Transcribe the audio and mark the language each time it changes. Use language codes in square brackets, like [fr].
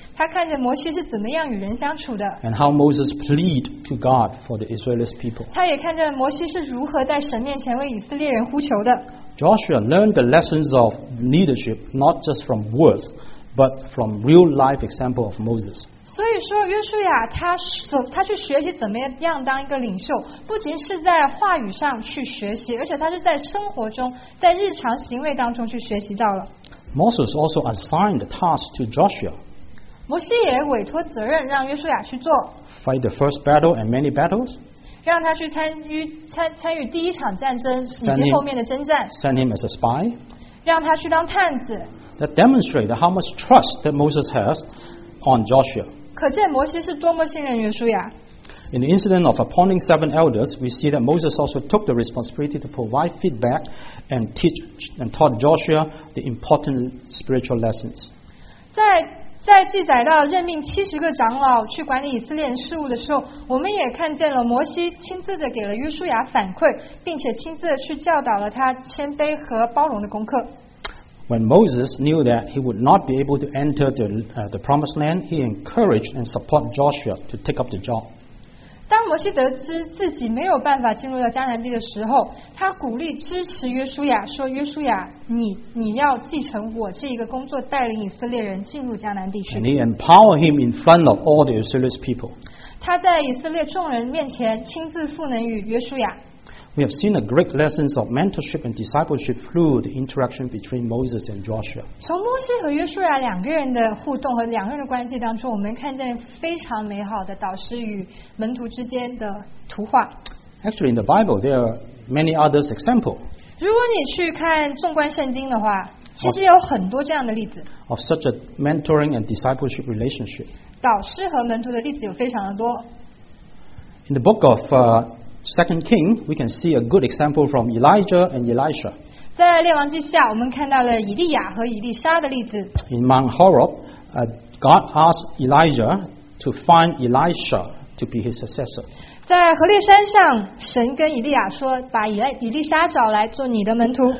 [zh] 他看见摩西是怎么样与人相处的。 [en] And how Moses plead to God for the Israelite people. [zh] 他也看见摩西是如何在神面前为以色列人呼求的。 [en] Joshua learned the lessons of leadership not just from words. But from real life example of Moses. [zh] 所以说约书亚他去学习怎么样当一个领袖，不仅是在话语上去学习，而且他是在生活中，在日常行为当中去学习到了。 [en] Moses also assigned the task to Joshua. [zh] 摩西也委托责任让约书亚去做。 [en] Fight the first battle and many battles. [zh] 让他去参与第一场战争以及后面的征战。 [en] Send him as a spy. [zh] 让他去当探子。 [en] That demonstrated how much trust that Moses has on Joshua. [zh] 可见摩西是多么信任约书亚。 [en] In the incident of appointing 7 elders, we see that Moses also took the responsibility to provide feedback and teach and taught Joshua the important spiritual lessons. [zh] 在记载到任命70个长老去管理以色列事务的时候，我们也看见了摩西亲自的给了约书亚反馈，并且亲自的去教导了他谦卑和包容的功课。 [en] When Moses knew that he would not be able to enter the promised land, he encouraged and supported Joshua to take up the job. [zh] 当摩西得知自己没有办法进入到迦南地的时候，他鼓励支持约书亚，说：“约书亚，你要继承我这一个工作，带领以色列人进入迦南地区。” [en] And he empowered him in front of all the Israelite people. [zh] 他在以色列众人面前亲自赋能与约书亚。 [en] We have seen a great lessons of mentorship and discipleship through the interaction between Moses and Joshua. [zh] 从摩西和约书亚两个人的互动和两个人的关系当中，我们看见非常美好的导师与门徒之间的图画。 [en] Actually, in the Bible, there are many other examples. [zh] 如果你去看纵观圣经的话，其实有很多这样的例子。 [en] Of such a mentoring and discipleship relationship. [zh] 导师和门徒的例子有非常的多。 [en] In the book of Second King, we can see a good example from Elijah and Elisha. [zh] 在列王记下，我们看到了以利亚和以利沙的例子。 [en] In Mount Horeb, God asked Elijah to find Elisha to be his successor. [zh] 在何烈山上，神跟以利亚说，把以利沙找来做你的门徒。